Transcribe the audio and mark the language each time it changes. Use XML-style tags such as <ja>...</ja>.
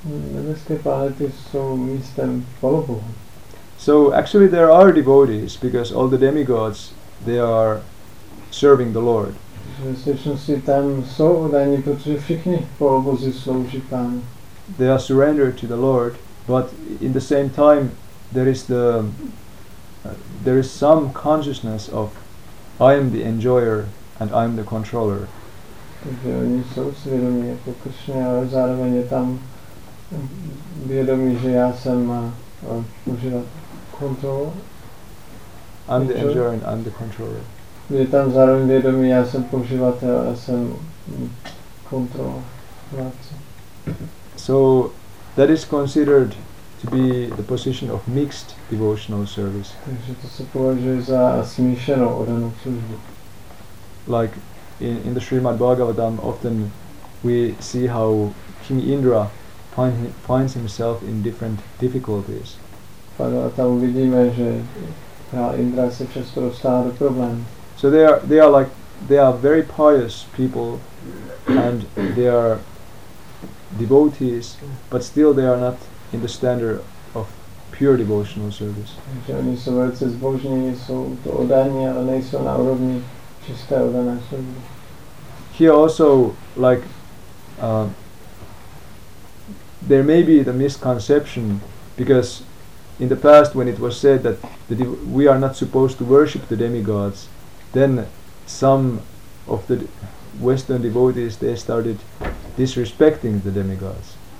<cs>Nebeské planety jsou místem polobohů.</cs> <en>So actually there are devotees because all the demigods, they are serving the Lord.</en> <cs>Ve skutečnosti tam jsou oddaní, protože všichni polobozy slouží Pánu.</cs> <en>They are surrendered to the Lord, but in the same time there is some consciousness of I am the enjoyer and I am the controller.</en> <cs>Takže oni jsou svědomí jako Kršně, ale zároveň je tam vědomí, že já jsem kontrol.</cs> <en>I'm the enjoyer and I'm the controller.</en> <cs>Je tam zároveň vědomí, já jsem používatel, já jsem kontrolovatel.</cs> <en>So that is considered to be the position of mixed devotional service.</en> <cs>Takže to se považuje za smíšenou oddanou službu.</cs> <en>Like in the Srimad Bhagavatam, often we see how King Indra finds himself in different difficulties.</en> <cs>A tam vidíme, že král Indra se často dostává do problémů.</cs> <en>So they are very pious people and they are devotees, but still they are not in the standard of pure devotional service.</en> <cs>Oni jsou velice zbožní, jsou to oddaní, ale nejsou na úrovni čisté oddané služby.</cs> <en>Here also, like, there may be the misconception, because in the past when it was said that we are not supposed to worship the demigods, then some of the Western devotees, they started disrespecting the demigods.</en>